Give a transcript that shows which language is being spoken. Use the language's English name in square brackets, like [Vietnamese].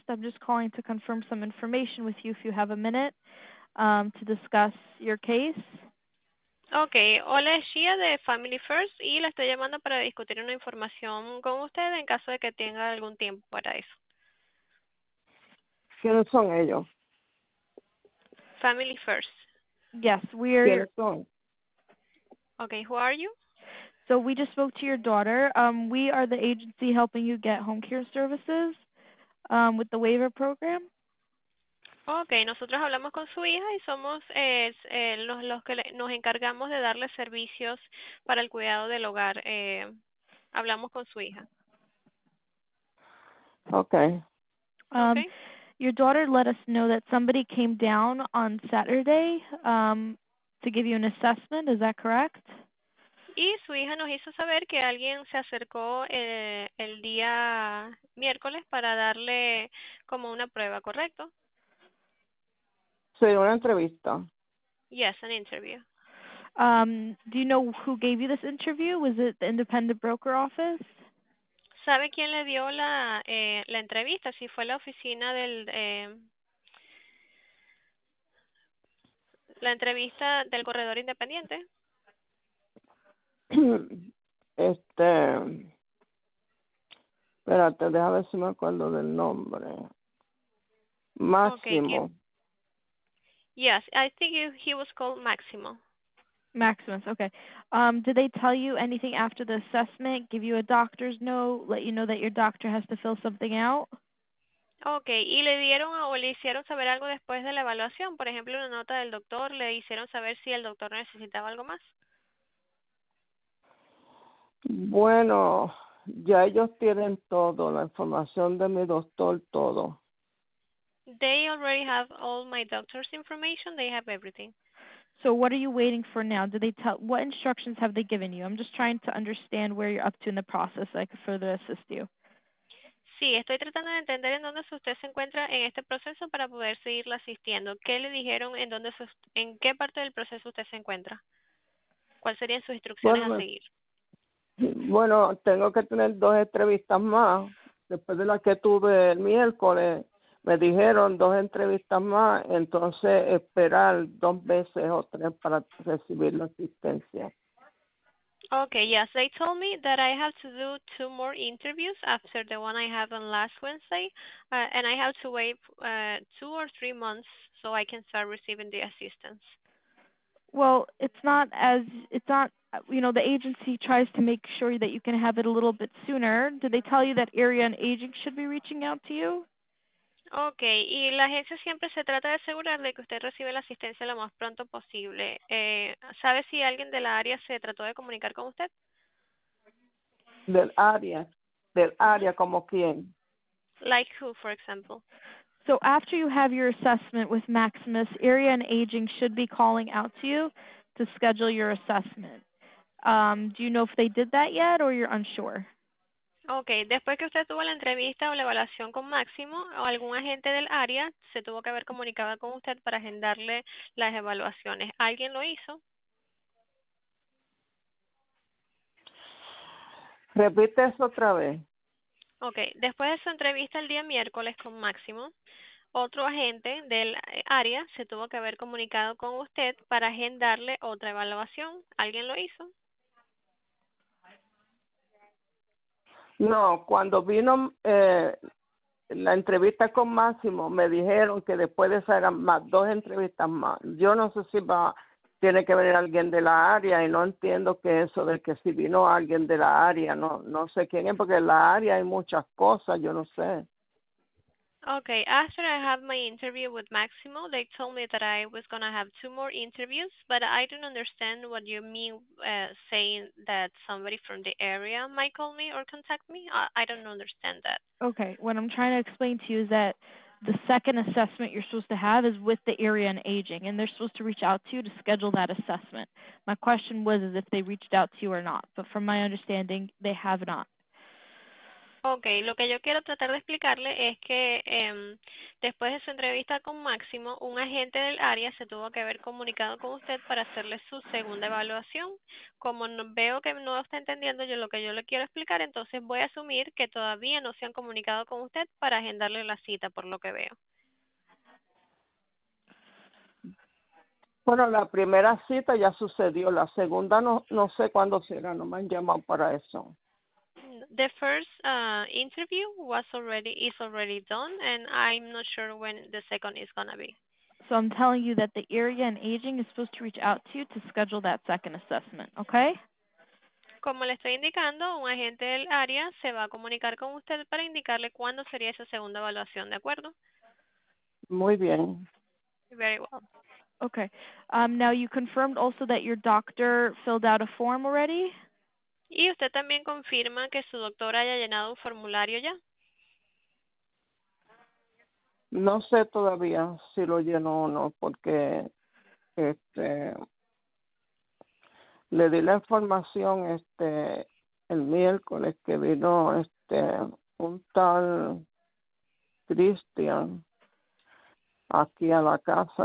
[English] I'm just calling to confirm some information with you if you have a minute to discuss your case. [Spanish] Okay, hola, es Shia de Family First y la estoy llamando para discutir una información con usted en caso de que tenga algún tiempo para eso. ¿Quiénes son ellos? [English] Family First. Yes, we're... [Spanish] ¿Quiénes son? [English] Okay, who are you? So we just spoke to your daughter. We are the agency helping you get home care services with the waiver program. [Spanish] Okay, nosotros hablamos con su hija y somos los que nos encargamos de darle servicios para el cuidado del hogar. Hablamos con su hija. [English] Okay. Your daughter let us know that somebody came down on Saturday to give you an assessment. Is that correct? [Spanish] Y su hija nos hizo saber que alguien se acercó el día miércoles para darle como una prueba, ¿correcto? Sí, una entrevista. [English] Yes, an interview. Do you know who gave you this interview? Was it the independent broker office? [Spanish] ¿Sabe quién le dio la la entrevista? Si fue la oficina del la entrevista del corredor independiente. Espérate, déjame ver si me acuerdo del nombre. Máximo. [English] Okay, yes, I think he was called Maximo. Maximus, okay. Did they tell you anything after the assessment, give you a doctor's note, let you know that your doctor has to fill something out? [Spanish] Okay, y le dieron o le hicieron saber algo después de la evaluación, por ejemplo, una nota del doctor, le hicieron saber si el doctor necesitaba algo más. Bueno, ya ellos tienen todo, la información de mi doctor, todo. [English] They already have all my doctor's information. They have everything. So what are you waiting for now? Do they tell? What instructions have they given you? I'm just trying to understand where you're up to in the process so I could further assist you. [Spanish] Sí, estoy tratando de entender en dónde usted se encuentra en este proceso para poder seguirla asistiendo. ¿Qué le dijeron en dónde, en qué parte del proceso usted se encuentra? ¿Cuáles serían sus instrucciones bueno, a seguir? Bueno, tengo que tener dos entrevistas más después de la que tuve el miércoles. Me dijeron dos entrevistas más, entonces esperar dos veces o tres para recibir la asistencia. [English] Okay, yes, they told me that I have to do two more interviews after the one I had on last Wednesday, and I have to wait 2 or 3 months so I can start receiving the assistance. Well, it's not, the agency tries to make sure that you can have it a little bit sooner. Did they tell you that Area and Aging should be reaching out to you? [Spanish] Okay, y la agencia siempre se trata de asegurar de que usted recibe la asistencia lo más pronto posible. ¿Sabe si alguien de la área se trató de comunicar con usted? ¿Del área? del área como quién. [English] Like who, for example. So after you have your assessment with Maximus, Area and Aging should be calling out to you to schedule your assessment. Do you know if they did that yet or you're unsure? [Spanish] Okay, después que usted tuvo la entrevista o la evaluación con Máximo, o algún agente del área se tuvo que haber comunicado con usted para agendarle las evaluaciones. ¿Alguien lo hizo? Repite eso otra vez. Okay, después de su entrevista el día miércoles con Máximo, otro agente del área se tuvo que haber comunicado con usted para agendarle otra evaluación. ¿Alguien lo hizo? No, cuando vino la entrevista con Máximo, me dijeron que después de esa eran más dos entrevistas más. Yo no sé si va tiene que venir alguien de la área y no entiendo que eso de que si vino alguien de la área, no, no sé quién es, porque en la área hay muchas cosas, yo no sé. [English] Okay, after I have my interview with Máximo, they told me that I was going to have two more interviews, but I don't understand what you mean saying that somebody from the area might call me or contact me. I don't understand that. Okay, what I'm trying to explain to you is that the second assessment you're supposed to have is with the Area and Aging, and they're supposed to reach out to you to schedule that assessment. My question was if they reached out to you or not, but from my understanding, they have not. [Spanish] Okay, lo que yo quiero tratar de explicarle es que después de su entrevista con Máximo, un agente del área se tuvo que haber comunicado con usted para hacerle su segunda evaluación. Como no, veo que no está entendiendo yo lo que yo le quiero explicar, entonces voy a asumir que todavía no se han comunicado con usted para agendarle la cita, por lo que veo. Bueno, la primera cita ya sucedió, la segunda no sé cuándo será, no me han llamado para eso. [English] The first interview is already done, and I'm not sure when the second is going to be. So I'm telling you that the Area and Aging is supposed to reach out to you to schedule that second assessment, okay? [Spanish] Como le estoy indicando, un agente del área se va a comunicar con usted para indicarle cuándo sería esa segunda evaluación, ¿de acuerdo? Muy bien. [English] Very well. Okay. Now, you confirmed also that your doctor filled out a form already? [Spanish] ¿Y usted también confirma que su doctor haya llenado un formulario ya? No sé todavía si lo llenó o no, porque le di la información el miércoles que vino un tal Cristian aquí a la casa.